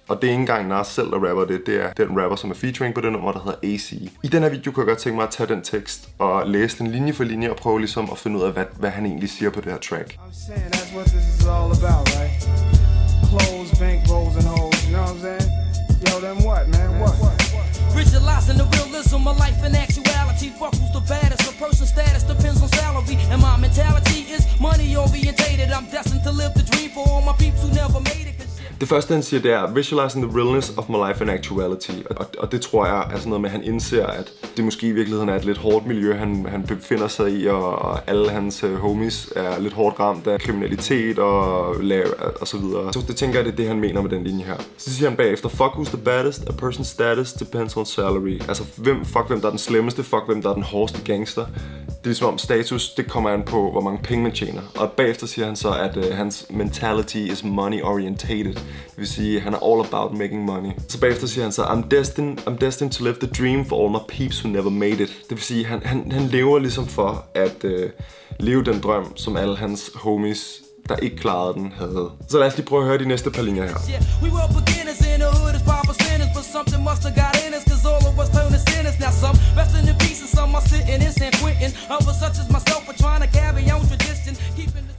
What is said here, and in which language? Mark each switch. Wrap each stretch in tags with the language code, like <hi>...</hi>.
<da>Og det er ikke engang Nas selv, der rapper det. Det er den rapper, som er featuring på det nummer, der hedder AC. I den her video kunne jeg godt tænke mig at tage den tekst og læse den linje for linje og prøve ligesom at finde ud af, hvad han egentlig siger på det her track.</da> <en>I'm saying that's what this is all about, right? Clothes, bank rolls and holes, you know what I'm saying? Yo, then what, man? Visualizing the realism of life in actuality. Fuck who's the baddest, a person's status depends on salary. And my mentality is money orientated. I'm destined to live the dream for all my peeps who never made it.</en> <da>Det første, han siger, det er</da> <en>visualizing the realness of my life in actuality.</en> <da>Og det tror jeg er sådan noget med, at han indser, at det måske i virkeligheden er et lidt hårdt miljø, han befinder sig i, og alle hans homies er lidt hårdt ramt af kriminalitet og så videre. Så det tænker jeg, det er det, han mener med den linje her. Så siger han bagefter,</da> <en>fuck who's the baddest, a person's status depends on salary.</en> <da>Altså, fuck hvem der er den slemmeste, fuck hvem der er den hårdeste gangster. Det er ligesom om status, det kommer an på, hvor mange penge man tjener. Og bagefter siger han så, at hans</da> <en>mentality is money orientated.</en> <da>Det vil sige, han er</da> <en>all about making money.</en> <da>Så bagefter siger han så,</da> <en>I'm destined to live the dream for all my peeps who never made it.</en> <da>Det vil sige, han lever ligesom for at leve den drøm, som alle hans homies, der ikke klarede den, havde. Så lad os lige prøve at høre de næste par linjer her.</da> <en>We were beginners in the hood, it's proper sinners, but something must have got in us, cause all of us turned to sinners. Now some rest in the peace and some are sitting in San Quentin. Others such as myself are trying to carry on tradition, keeping.</en>